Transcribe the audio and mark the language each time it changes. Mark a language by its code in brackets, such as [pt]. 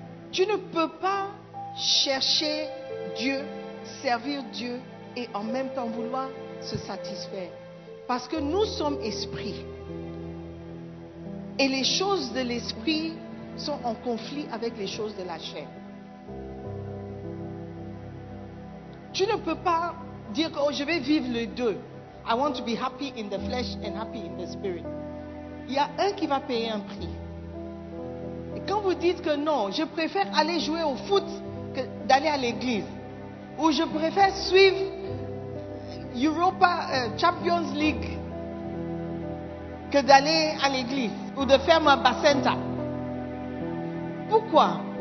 [fr] Tu ne peux pas chercher Dieu, servir Dieu et en même temps vouloir se satisfaire. Parce que nous sommes esprits. Et les choses de l'esprit sont en conflit avec les choses de la chair. Tu ne peux pas dire que oh, je vais vivre les deux. [en] I want to be happy in the flesh and happy in the spirit. [fr] Il y a un qui va payer un prix. Et quand vous dites que non, je préfère aller jouer au foot que d'aller à l'église, ou je préfère suivre Europa Champions League que d'aller à l'église ou de faire ma bassenta. Pourquoi?